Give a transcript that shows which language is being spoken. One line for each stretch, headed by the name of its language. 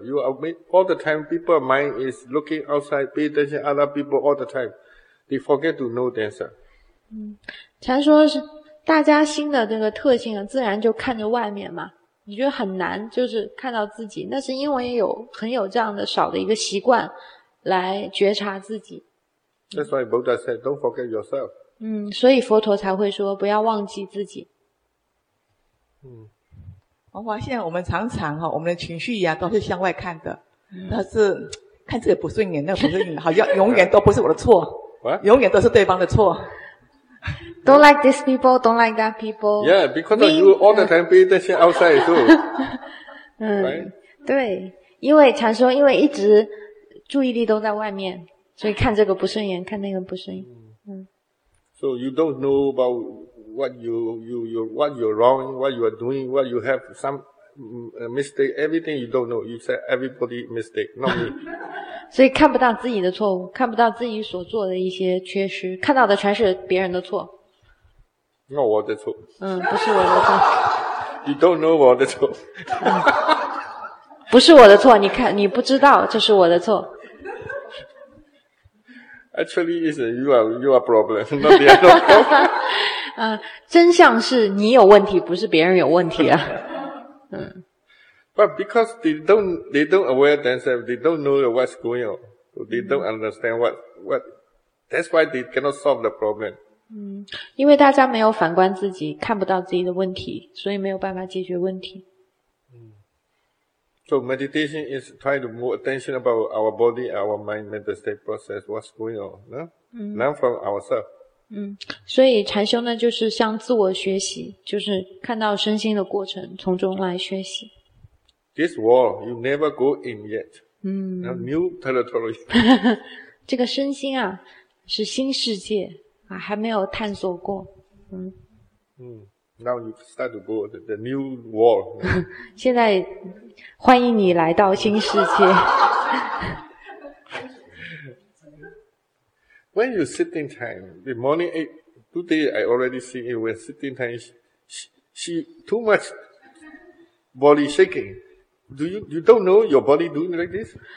English: You admit all the time people, mind is looking outside, pay attention to other people all the time. They forget to know themselves.
Chinese: 禅说是大家心的这个特性自然就看着外面嘛。你觉得很难就是看到自己，那是因为有很有这样的少的一个习惯来觉察自己。
English: That's why Buddha said, don't forget yourself.
Chinese: 所以佛陀才会说不要忘记自己。我发现我们常常我们的情绪啊都是向外看的。但是看这个不顺眼那个不顺眼好像永远都不是我的错。
English: What?
Chinese: 永远都是对方的错。
English: Don't like these people, don't like that people. Yeah, because of you all the time be attention outside too.
Chinese: 对。因为禅说因为一直注意力都在外面。所以看这个不顺眼，看那个不顺眼。
English: So you don't know about what what you're wrong, what you are doing, what you have some mistake. Everything you don't know. You said everybody mistake, not me.
Chinese: 所以看不到自己的错误，看不到自己所做的一些缺失，看到的全是别人的错。
English: Not
Chinese: 我的错。不是我的错。
English: You don't know
Chinese: 我的错。不是我的错，你看你不知道这是我的错。
English: Actually, is you are problem, not the other problem.
Chinese: 真相是你有问题，不是别人有问题啊。
English: But because they don't aware themselves, they don't know what's going on, they don't understand what. That's why they cannot solve the problem.
Chinese: 因为大家没有反观自己，看不到自己的问题，所以没有办法解决问题。
English: So meditation is trying to move attention about our body, our mind, mental state process, what's going on, no? Learn from ourselves.
Chinese: 所以禅修呢就是向自我学习，就是看到身心的过程，从中来学习。
English: This wall, you never go in yet. New territory.
Chinese: 这个身心啊，是新世界啊，还没有探索过。
English: Now you start to go to the new wall.
Chinese: 现在欢迎你来到新世界。
English: When you sitting time, the morning eight, today I already see it when sitting time, she too much body shaking. You don't know your body doing like this?